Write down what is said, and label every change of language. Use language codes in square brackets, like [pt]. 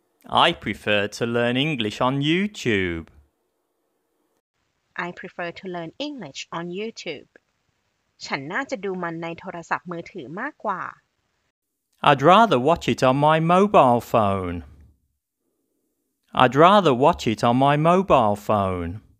[en] I prefer to learn English on YouTube. I prefer to learn English on YouTube. [th] ฉันน่าจะดูมันในโทรศัพท์มือถือมากกว่า [en] I'd rather watch it on my mobile phone. I'd rather watch it on my mobile phone.